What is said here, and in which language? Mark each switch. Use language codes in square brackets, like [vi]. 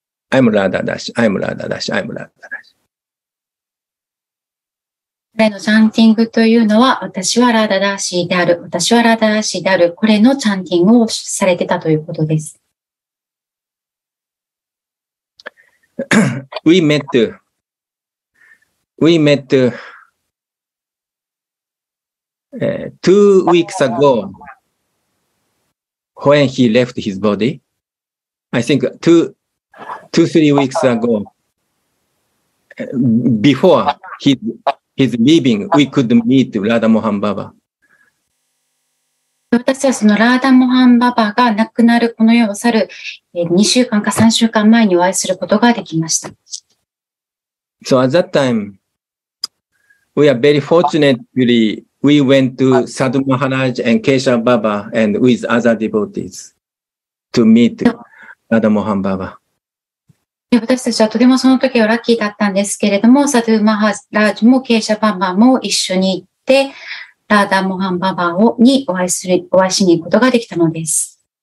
[en] I'm Radha Dashi. I'm Radha Dashi. I'm Radha Dashi. [ja] 彼のチャンティングというのは、私はラダダーシーである。私はラダダーシーである。これのチャンティングをされてたということです。 [en] We met two weeks ago when he left his body. I think two, three weeks ago before his leaving, we could meet Radha Mohan Baba. [ja] 私はそのラーダモハンババが亡くなるこの世を去る2週間か3週間前にお会いすることができました。 [en] So at that time, we are very fortunately, we went to Sadhu Maharaj and Kesha Baba and with other devotees to meet Radha Mohan Baba. [ja] 私たちはとてもその時はラッキーだったんですけれども、Sadhu Maharaj も Kesha Baba も一緒に行って、ラーダモハンババをにお会いしに行くことができたのです。